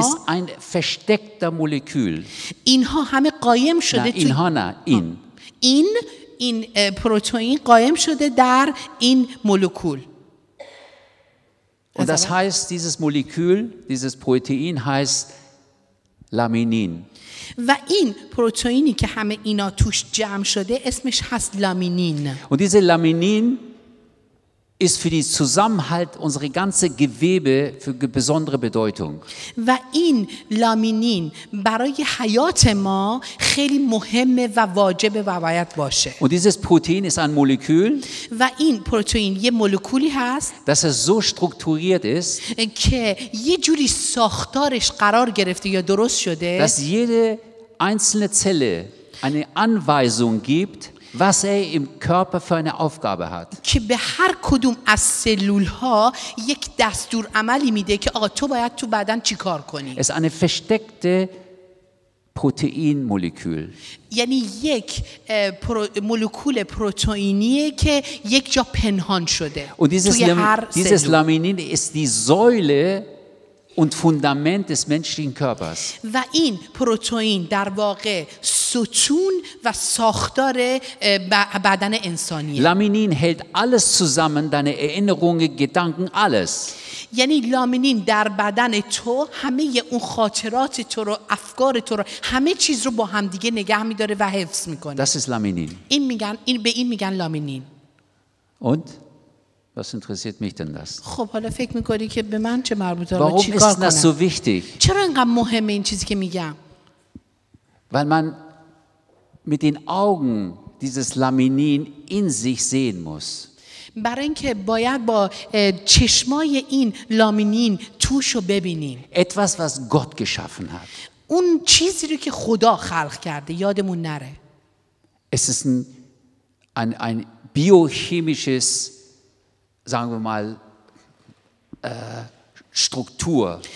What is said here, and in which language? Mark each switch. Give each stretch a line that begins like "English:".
German: ist ein versteckter Molekül.
Persian: اینها همه قایم شده اینها نه این این این پروتئین قایم شده در این مولکول.
German: Und das heißt, dieses Molekül, dieses Protein heißt Laminin.
Persian: و این پروتئینی که همه اینا توش جمع شده اسمش هست لامینین.
German: Und diese Laminin ist für den Zusammenhalt unsere ganze Gewebe für besondere Bedeutung.
Persian: و این لامینین برای حیات ما خیلی مهمه و واجبه و باید باشه.
German: Und dieses Protein ist ein Molekül.
Persian: و این پروتئین یه مولکولی هست.
German: Dass es so strukturiert ist.
Persian: که یه جوری ساختارش قرار گرفته یا درست شده.
German: Dass jede einzelne Zelle eine Anweisung gibt. Was er im Körper für eine Aufgabe hat.
Persian: که به هر کدوم از سلول‌ها یک دستور عملی میده که آقا تو باید تو بدن چی کار کنی.
German: Es ist eine versteckte Proteinmolekül.
Persian: یعنی یک مولکول پروتئینیه که یک جا پنهان شده.
German: Und dieses Laminin ist die Säule und Fundament des menschlichen Körpers.
Persian: و این پروتئین در واقع ستون و ساختار بدن انسانی.
German: Laminin hält alles zusammen, deine Erinnerungen, Gedanken, alles.
Persian: یعنی لامینین در بدن تو همه اون خاطرات تو رو، افکار تو رو، همه چیز رو با هم دیگه نگه می‌داره و حفظ می‌کنه.
German: Das ist Laminin.
Persian: این میگن، این به این میگن لامینین.
German: Und was interessiert mich denn das?
Persian: خب حالا فکر می‌کنی که به من چه مربوطه؟ چیکار کنم؟
German: Warum ist das so wichtig?
Persian: چرا اینقدر مهمه این چیزی که میگم؟
German: Weil man mit den Augen dieses Laminin in sich sehen muss.
Persian: برای اینکه باید با چشمای این لامینین توشو ببینیم.
German: Etwas was Gott geschaffen hat.
Persian: اون چیزی رو که خدا خلق کرده یادمون نره.
German: Es ist ein biochemisches, sagen wir mal, Struktur.